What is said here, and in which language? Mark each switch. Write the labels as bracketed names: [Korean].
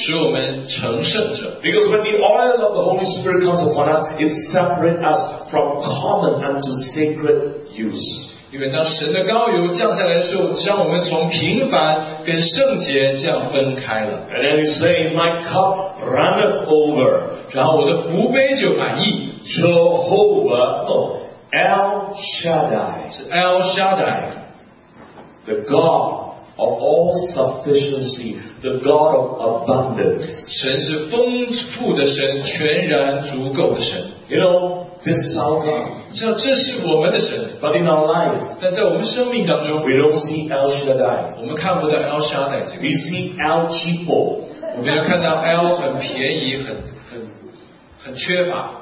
[Chinese] 说神是使我们成圣的人，使我们成圣者。 [English] Because when the oil of the Holy Spirit comes upon us, it separates us from common unto sacred use. [Chinese] 因为当神的膏油降下来的时候，将我们从平凡跟圣洁这样分开了。 [English] And then he said, "My cup runneth over." [Chinese] 然后我的福杯就满溢。 [English] Jehovah, no, El Shaddai. [Chinese] 是 El Shaddai, [English] the God of all sufficiency, the God of abundance. [Chinese] 神是丰富的神，全然足够的神。 [English] You know, this is our God. [Chinese] 这是我们的神。 [English] But in our life, [Chinese] 但在我们生命当中, [English] we don't see El Shaddai. [Chinese] 我们看不到 El Shaddai 这个。 [English] We see El Cheapo. [Chinese] 我们要看到 El 很便宜，很缺乏。